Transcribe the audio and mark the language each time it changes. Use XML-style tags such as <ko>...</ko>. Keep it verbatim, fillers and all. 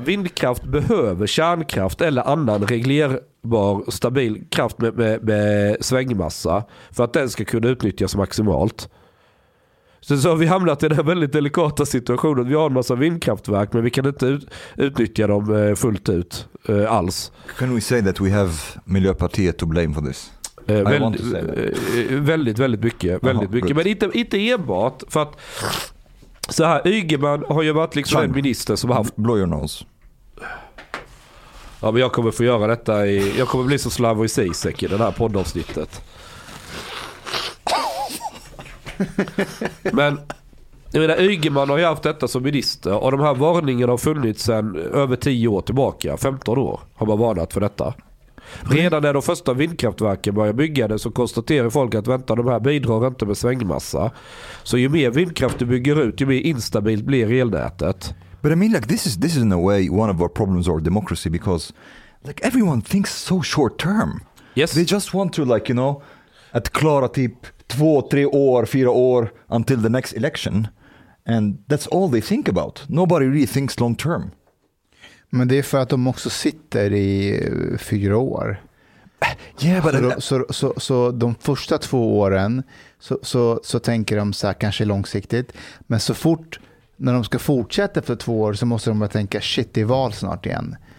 <sv>Vindkraft behöver kärnkraft eller annan reglerbar och stabil kraft med, med, med svängmassa för att den ska kunna utnyttjas maximalt. Så, så har vi hamnat i den här väldigt delikata situationen. Vi har en massa vindkraftverk men vi kan inte ut, utnyttja dem fullt ut eh, alls.</sv> <en>Can we say that we have Miljöpartiet to blame for this?</en> <sv>Eh, väldigt, eh, väldigt, väldigt mycket. Väldigt Aha, mycket. Men inte, inte enbart för att så här, Ygeman har ju varit liksom en minister som har haft blåjornos. Ja, men jag kommer få göra detta i... Jag kommer bli så Slavoj Zizek i det här poddavsnittet. Men jag menar, Ygeman har ju haft detta som minister och de här varningarna har funnits sedan över tio år tillbaka. femton år har man varnat för detta. Redan när de första vindkraftverken började bygga det så konstaterar folk att vänta, de här bidrar inte med svängmassa. Så ju mer vindkraft du bygger ut, ju mer instabilt blir elnätet.</sv> <en>But I mean, like this is this is in a way one of our problems or democracy, because like everyone thinks so short term. Yes. They just want to, like, you know,</en> <sv>att klara typ två, tre år, fyra år</sv> <en>until the next election, and that's all they think about. Nobody really thinks long term.</en> <sv>Men det är för att de också sitter i fyra år.</sv> <en>Yeah, but</en> <sv>så, de, så, så, så de första två åren så, så, så tänker de så här, kanske långsiktigt. Men så fort när de ska fortsätta för två år så måste de bara tänka shit, det är val snart igen.</sv>